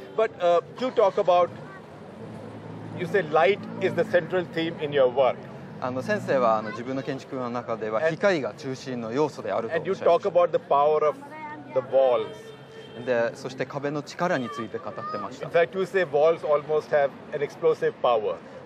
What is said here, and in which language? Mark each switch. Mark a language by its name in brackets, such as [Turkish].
[English] But you talk about, you say light is the central theme in your work. [Japanese] あの、先生は、あの、自分の建築の中では光が中心の要素であると。And [English] you talk about the power of the walls. [Japanese] で、そして壁の力について語ってました。 [English] In fact, you say walls almost have an explosive power.